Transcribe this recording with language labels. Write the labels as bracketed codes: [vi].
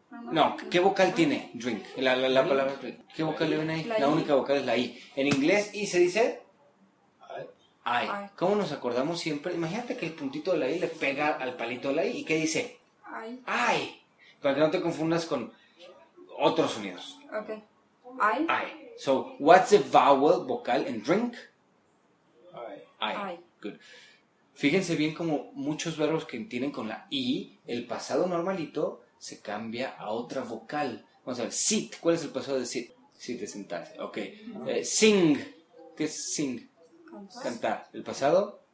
[es] No, ¿qué vocal tiene? Drink. La drink. Palabra drink. ¿Qué vocal le ven ahí? La única vocal es la I. En inglés, I se dice. [en] I. [es] ¿Cómo nos acordamos siempre? Imagínate que el puntito de la I le pega al palito de la I. ¿Y qué dice? [en] I. I. [es] Para que no te confundas con otros sonidos. [en] Okay. I. So, what's the vowel vocal in drink? I. Good. [es] Fíjense bien como muchos verbos que tienen con la I, el pasado normalito se cambia a otra vocal. Vamos a ver, sit. ¿Cuál es el pasado de sit? Sit, de sentarse. Ok. Sing. ¿Qué es sing? Cantar. ¿El pasado?